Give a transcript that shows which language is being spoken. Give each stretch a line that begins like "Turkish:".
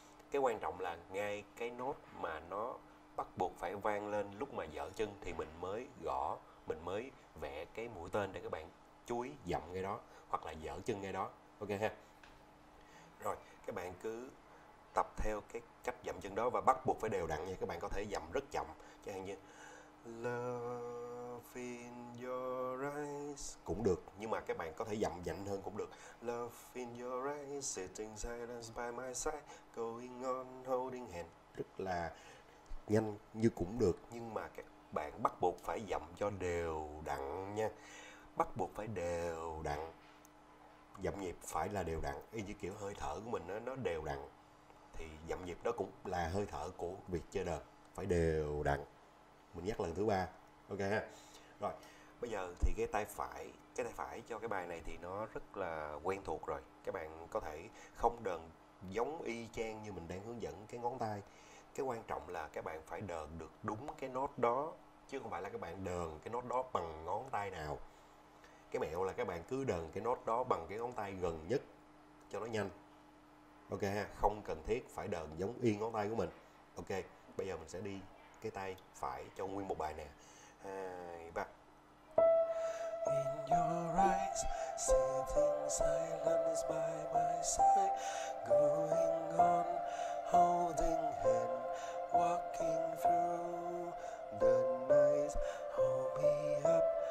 Vietnamese: Cái quan trọng là ngay cái nốt mà nó bắt buộc phải vang lên lúc mà dở chân thì mình mới gõ, mình mới vẽ cái mũi tên để các bạn chú ý dậm ngay đó hoặc là dở chân ngay đó. Ok ha. Rồi, các bạn cứ tập theo cái cách dậm chân đó và bắt buộc phải đều đặn nha. Các bạn có thể dậm rất chậm, chẳng hạn như
English: Love in your eyes
Vietnamese: cũng được, nhưng mà các bạn có thể dậm nhanh hơn cũng được.
English: Love in your eyes, sitting silence by my side, going on holding hand.
Vietnamese: Rất là nhanh như cũng được, nhưng mà các bạn bắt buộc phải dậm cho đều đặn nha. Bắt buộc phải đều đặn, dậm nhịp phải là đều đặn, y như kiểu hơi thở của mình đó, nó đều đặn thì dậm nhịp đó cũng là hơi thở của việc chơi đờn, phải đều đặn. Mình nhắc lần thứ ba, ok ha. Rồi, bây giờ thì cái tay phải cho cái bài này thì nó rất là quen thuộc rồi. Các bạn có thể không đờn giống y chang như mình đang hướng dẫn cái ngón tay. Cái quan trọng là các bạn phải đờn được đúng cái nốt đó, chứ không phải là các bạn đờn cái nốt đó bằng ngón tay nào. Cái mẹo là các bạn cứ đờn cái nốt đó bằng cái ngón tay gần nhất cho nó nhanh, ok ha. Không cần thiết phải đờn giống y ngón tay của mình. Ok, bây giờ mình sẽ đi cái tay phải cho nguyên một bài nè. 2, 3.
English: In your eyes, sitting silence by my side, going on, holding hand, walking through the night, hold me up,